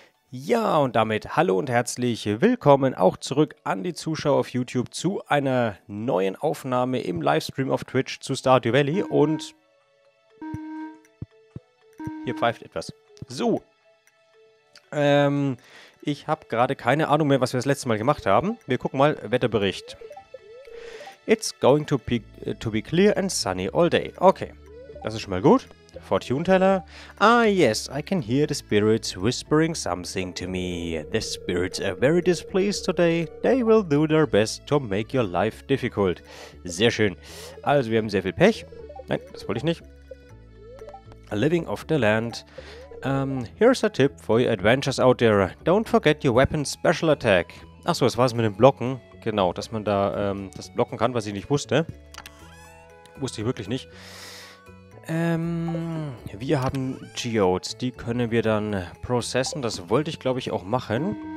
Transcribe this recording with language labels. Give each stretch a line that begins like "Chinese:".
German: Ja, und damit hallo und herzlich willkommen auch zurück an die Zuschauer auf YouTube zu einer neuen Aufnahme im Livestream auf Twitch zu Stardew Valley. Und hier pfeift etwas. So, ich habe gerade keine Ahnung mehr, was wir das letzte Mal gemacht haben. Wir gucken mal, Wetterbericht.
English: It's going to be clear and sunny all day.
German: Okay, das ist schon mal gut.
English: Fortune Teller. Ah, yes, I can hear the spirits whispering something to me. The spirits are very displeased today. They will do their best to make your life difficult.
German: Sehr schön. Also, wir haben sehr viel Pech. Nein, das wollte ich nicht.
English: Living off the land. Here's a tip for your adventures out there. Don't forget your weapon special attack.
German: Achso, das war es mit dem Blocken. Genau, dass man da das blocken kann, was ich nicht wusste. Wusste ich wirklich nicht. Wir haben Geodes, die können wir dann processen. Das wollte ich, glaube ich, auch machen.